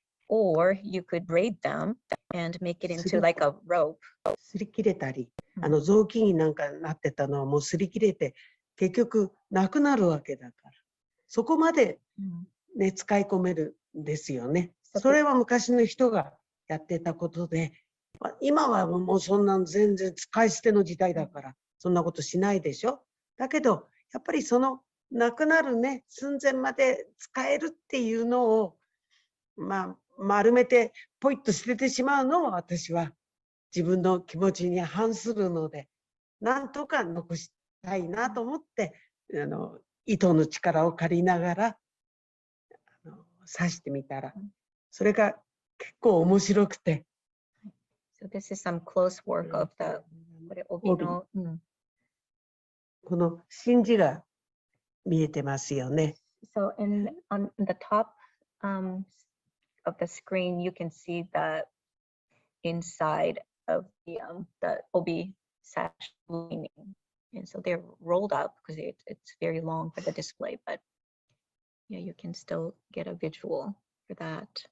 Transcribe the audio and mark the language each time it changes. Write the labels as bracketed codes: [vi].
[en] Or you could braid them and make it into like a rope. [ja] すり切れたり、あの雑巾になんかなってたのはもうすり切れて、結局なくなるわけだから。そこまでね、使い込めるんですよね。それは昔の人がやってたことで、今はもうそんな全然使い捨ての時代だから、そんなことしないでしょ。だけど、やっぱりそのなくなるね、寸前まで使えるっていうのを、まあ、丸めてポイッと捨ててしまうのは私は自分の気持ちに反するので、なんとか残したいなと思って、あの糸の力を借りながら刺してみたら、それが結構面白くて。 [en] So this is some close work of the obino. [ja] この真珠が見えてますよね。 [en] So in on the top of the screen, you can see the inside of the obi sash lining, and so they're rolled up because it's very long for the display, but yeah, you can still get a visual for that.